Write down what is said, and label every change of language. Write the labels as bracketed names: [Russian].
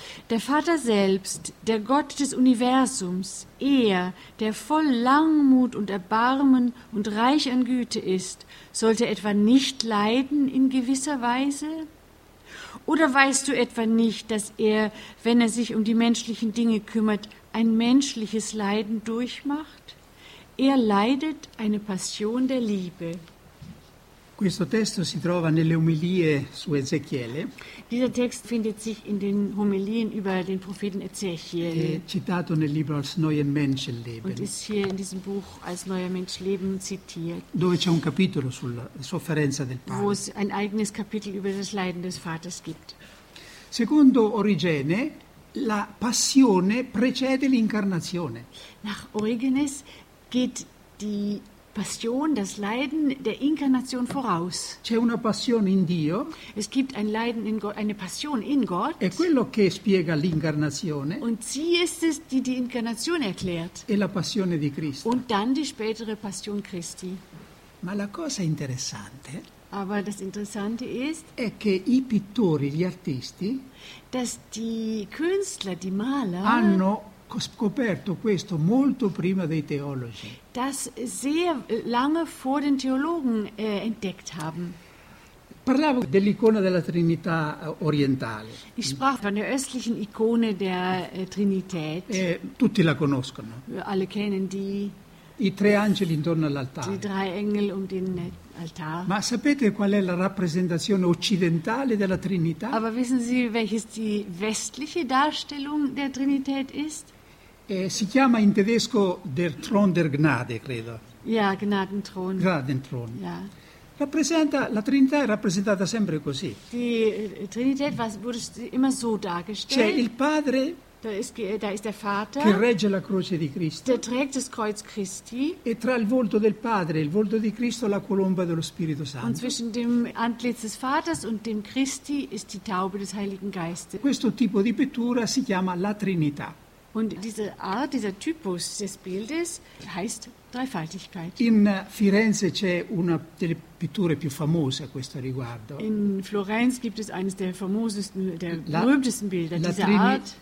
[German] Der Vater selbst, der Gott des Universums, er, der voll Langmut und Erbarmen und reich an Güte ist, sollte etwa nicht leiden in gewisser Weise? Oder weißt du etwa nicht, dass er, wenn er sich um die menschlichen Dinge kümmert, ein menschliches Leiden durchmacht? Er leidet eine Passion der Liebe. [Italian] Questo testo si trova nelle omelie su Ezechiele. [German] Dieser Text findet sich in den Homilien über den Propheten Ezechiel. [Italian] È citato nel libro Als neue Menschenleben. [German] Und ist hier in diesem Buch Als neuer Mensch leben zitiert. [Italian] Dove c'è un capitolo sulla sofferenza del padre. [German] Wo es ein eigenes Kapitel über das Leiden des Vaters gibt. [Italian] Secondo Origene, la passione precede l'incarnazione. [German] Nach Origenes geht die Passion, das Leiden der Inkarnation voraus. [Italian] C'è una passione in Dio. [German] Es gibt ein Leiden in Gott, eine Passion in Gott. [Italian] È quello che spiega l'incarnazione. [German] Und sie ist es, die die Inkarnation erklärt. [Italian] E la passione di Cristo. [German] Und dann die spätere Passion Christi. [Italian] Ma la cosa interessante. [German] Aber das Interessante ist. [Italian] È che i pittori, gli artisti. [German] Dass die Künstler, die Maler. [Italian] Hanno scoperto questo molto prima dei teologi. [German] Das sehr lange vor den Theologen entdeckt haben. [Italian] Parlavo dell'icona della Trinità orientale. [German] Ich sprach von der östlichen Ikone der Trinität. [Italian] Tutti la conoscono. [German] Alle kennen die. [Italian] I tre angeli intorno all'altare. [German] Die drei Engel um den Altar. [Italian] Ma sapete qual è la rappresentazione occidentale della Trinità? [German] Aber wissen Sie, welches die westliche Darstellung der Trinität ist? [Italian] Si chiama in tedesco [German] der Thron der Gnade, [Italian] credo. [German] Ja, Gnadenthron. Gnadenthron. Ja. [Italian] Rappresenta, la Trinità è rappresentata sempre così. [German] Die Trinität wurde immer so dargestellt. [Italian] C'è il Padre. [German] Da ist der Vater, [Italian] che regge la croce di Cristo, [German] der trägt das Kreuz Christi, [Italian] e tra il volto del Padre e il volto di Cristo la colomba dello Spirito Santo. [German] Und zwischen dem Antlitz des Vaters und dem Christi ist die Taube des Heiligen Geistes. [Italian] Questo tipo di pittura si chiama la Trinità. [German] Und diese Art, dieser Typus des Bildes heißt Dreifaltigkeit. [Italian] In Firenze c'è una delle pitture più famose a questo riguardo. [German] In Florenz gibt es eines der famosesten, der berühmtesten Bilder dieser Art.